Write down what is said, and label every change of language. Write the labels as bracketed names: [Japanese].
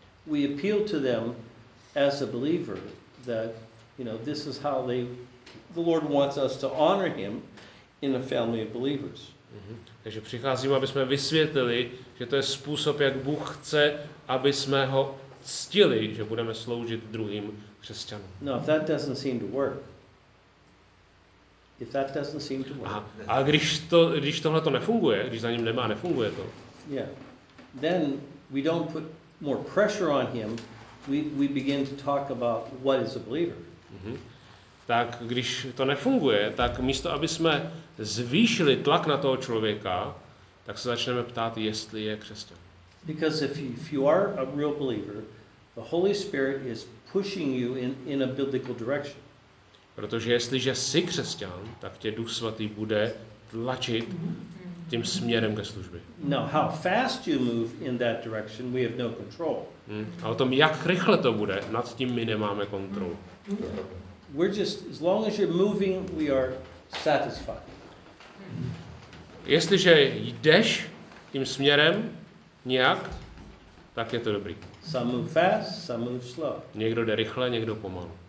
[English] We appeal to them as a believer that, you know, this is how they, the Lord wants us to honor him in a family of believers. Mm-hmm. [Czech] Takže přicházím, aby jsme vysvětlili, že to je způsob, jak Bůh chce, aby jsme ho ctili, že budeme sloužit druhým křesťanům. [English] No, if that doesn't seem to work. If that doesn't seem to work. [Czech] A když tohle to nefunguje, když za ním nemá, nefunguje to. [English] Yeah. Then we don't put more pressure on him. We begin to talk about what is a believer. Mm-hmm. [Czech] Tak když to nefunguje, tak místo aby jsme zvýšili tlak na toho člověka, tak se začneme ptát, jestli je křesťan. [English] Because if you are a real believer, the Holy Spirit is pushing you in a biblical direction. [Czech] Protože jestliže jsi křesťan, tak tě Duch Svatý bude tlačit tím směrem ke službě. [English] Now, how fast you move in that direction, we have no control. [Czech] A o tom, jak rychle to bude, nad tím my nemáme kontrolu. [English] We're just, as long as you're moving, we are satisfied. [Czech] Jestliže jdeš tím směrem nějak, tak je to dobrý. [English] Some move fast, some move slow. [Czech] Někdo jde rychle, někdo pomalu.